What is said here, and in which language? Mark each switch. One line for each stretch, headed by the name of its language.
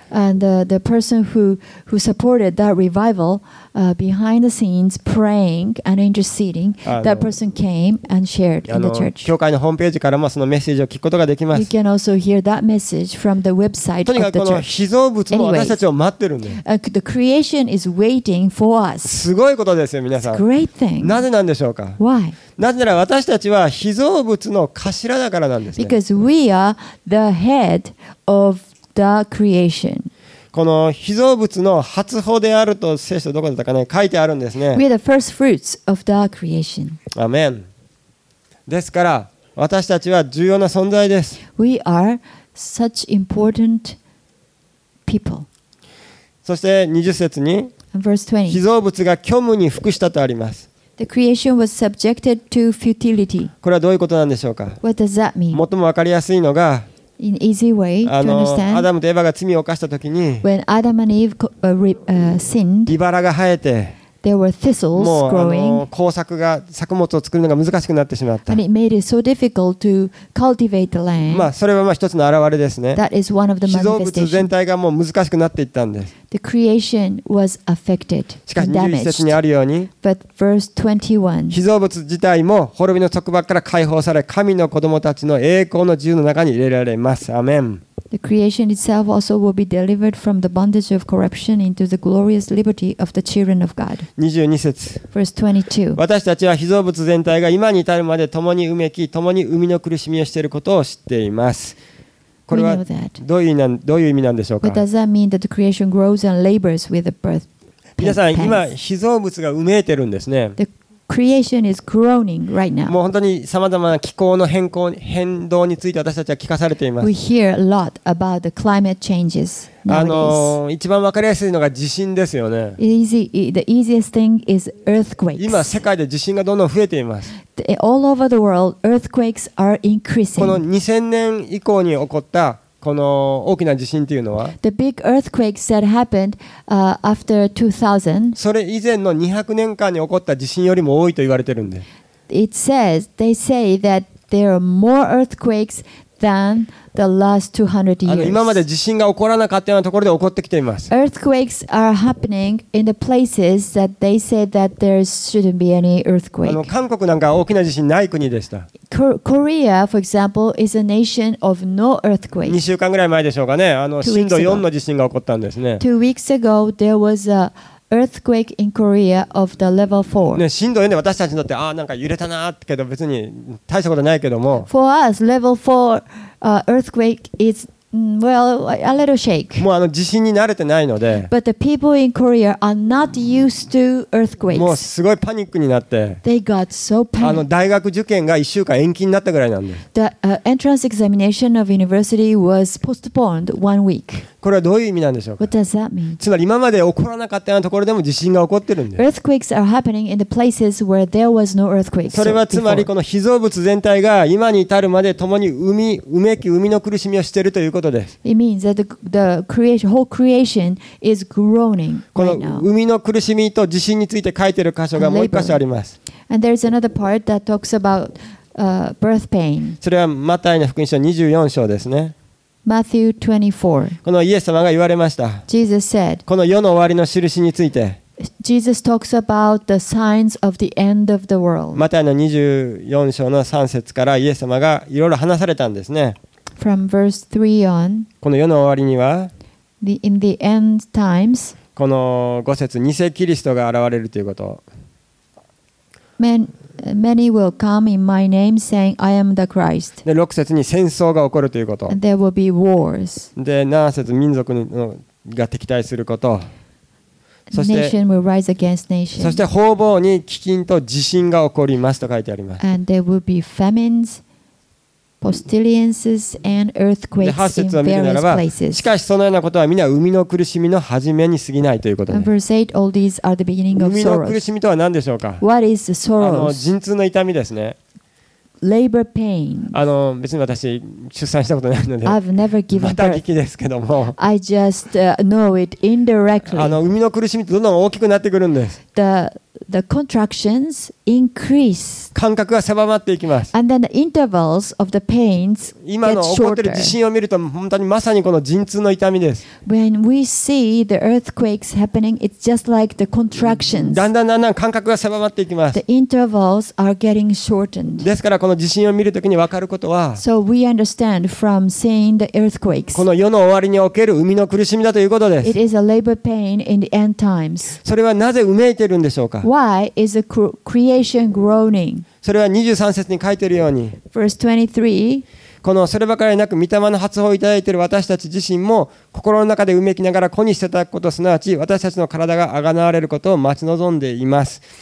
English: And the person who supported that revival, behind the scenes, praying and interceding, that person came and shared in the church.
Japanese: 教会のホームページからもそのメッセージを聞くことができます。
English: You can also hear that message from the website of the church.
Japanese: とにかくこの被造物も私たちを待ってるんです
English: 。 Anyway, the creation is waiting for us.
Japanese: すごいことですよ、皆さん。
English: It's a great thing.
Japanese: なぜなんでしょうか。
English: Why?
Japanese: なぜなら私たちは被造物の頭だからなんですね。
English: Because we are the head of the creation.
Japanese: この被造物の初穂であると聖書どこだったかね、書いてあるんですね。
English: We are the first fruits of the creation.
Japanese: アメン。ですから私たちは重要な存在です。
English: We are such important people.
Japanese: そして20節に、
English: Verse 20.
Japanese: 被造物が虚無に服したとあります。
English: The creation was subjected to futility.
Japanese: これはどういうことなんでしょうか。
English: What does that mean?
Japanese: 最も分かりやすいのが、
English: an easy way to understand.
Japanese: アダムとエヴァが罪を犯したときに、
English: when Adam and Eve sinned,
Japanese: イバラが生えて、
English: there were thistles growing.
Japanese: 耕作が作物を作るのが難しくなってしまった。
English: And it made it so difficult to cultivate the land.
Japanese: まあそれはまあ一つの表れですね。
English: That is one of the manifestations.
Japanese: 自然物全体がもう難しくなっていったんです。
English: The creation was affected, damaged.
Japanese: しかし21節にあるように、
English: But verse 21,
Japanese: 被造物自体も滅びの束縛から解放され、神の子供たちの栄光の自由の中に入れられます。アメン。
English: The creation itself also will be delivered from the bondage of corruption into the glorious liberty of the children of God.
Japanese: 22節。
English: Verse 22.
Japanese: 私たちは被造物全体が今に至るまで共にうめき、共に生みの苦しみをしていることを知っています。これはどういう意味なんでしょうか。
English: But does that mean that the creation grows and labors with the birth?
Japanese: 皆さん今被造物がうめいてるんですね。
English: The creation is groaning right now.
Japanese: もう本当にさまざまな気候の変動について私たちは聞かされています。
English: We hear a lot about the climate changes nowadays.
Japanese: 一番わかりやすいのが地震ですよね。
English: The easiest thing is earthquakes.
Japanese: 今世界で地震がどんどん増えています。
English: All over the world, earthquakes are increasing.
Japanese: この2000年以降に起こったこの大きな地震というのは、
English: The big earthquakes that happened, after 2000,
Japanese: それ以前の200年間に起こった地震よりも多いと言われてるんで。
English: It says, they say that there are more earthquakes than the last 200 years.
Japanese: 今まで地震が起こらなかったようなところで起こってきています。
English: Earthquakes are happening in the places that they say that there shouldn't be any earthquake.
Japanese: 韓国なんか大きな地震ない国でした。
English: Korea, for example, is a nation of no earthquake.
Japanese: 2週間ぐらい前でしょうかね。震度4の地震が起こったんですね。
English: Two weeks ago, there was aEarthquake in Korea of the level 4.
Japanese: ね、震度4で私たちにとってなんか揺れたなけど別に大したことないけども。
English: For us, level 4 earthquake is well a little shake.
Japanese: もう地震に慣れてないので。
English: But the people in Korea are not used to earthquakes.
Japanese: もうすごいパニックになって。
English: They got so panicked.
Japanese: 大学受験が1週間延期になったぐらいなんで。
English: The entrance examination of university was postponed one week.
Japanese: これはどういう意味なんでしょうか。つまり今まで起こらなかったようなところでも地震が起こってるんです。
English: Earthquakes are happening in the places where there was no earthquake.
Japanese: それはつまりこの被造物全体が今に至るまで共にうめき生みの苦しみをしているということです。
English: It means that the creation, whole creation is groaning right now.
Japanese: この生みの苦しみと地震について書いている箇所がもう一箇所あります。
English: And there's another part that talks about birth pain.
Japanese: それはマタイの福音書24章ですね。
English: Matthew 24.
Japanese: このイエス様が言われました。
English: Jesus said,
Japanese: この世の終わりの印について。
English: Jesus talks about the signs of the end of the world.
Japanese: マタイの24章の3節からイエス様がいろいろ話されたんですね。
English: From verse 3 on,
Japanese: この世の終わりには、
English: in the end times,
Japanese: この5節、偽キリストが現れるということ。
English: Many will come in my name, saying, "I am the Christ."
Japanese: で、6節に戦争が起こるということ。
English: And there will be wars.
Japanese: で、7節、民族が敵対すること。そして、
English: nation will rise against nation.
Japanese: そして、方々に飢饉と地震が起こりますと書いてあります。
English: And there will be famines, pestilences, and earthquakes in various places.
Japanese: で、8節を見るならば、しかしそのようなことは皆生みの苦しみの始めに過ぎないということです。
English: Verse 8, all these are the beginning of sorrows.
Japanese: 生みの苦しみとは何でしょうか。
English: What is the sorrows?
Japanese: 陣痛の痛みですね。
English: Labor pain.
Japanese: 別に私出産したことないので、
English: I've never given birth.
Japanese: また聞きですけども、
English: I just know it indirectly.
Japanese: 生みの苦しみってどんどん大きくなってくるんです。
English: The contractions increase.
Japanese: 間隔が狭まっていきます。
English: And then the intervals of the pains get shorter.
Japanese: 今の起こっている地震を見ると本当にまさにこの陣痛の痛みです。
English: When we see the earthquakes happening, it's just like the contractions.
Japanese: だんだんだんだん間隔が狭まっていきます。
English: The intervals are getting shortened.
Japanese: ですからこの地震を見るときに分かることは、
English: So we understand from seeing the earthquakes.
Japanese: この世の終わりにおける生みの苦しみだということです。
English: It is a labor pain in the end times.
Japanese: それはなぜうめいているんでしょうか。
English: Why is the creation groaning?
Japanese: それは23節に書いているように、このそればかりなく御霊の発砲をいただいている私たち自身も心の中でうめきながら子にしていただくこと、すなわち私たちの体が贖われることを待ち望んでいます。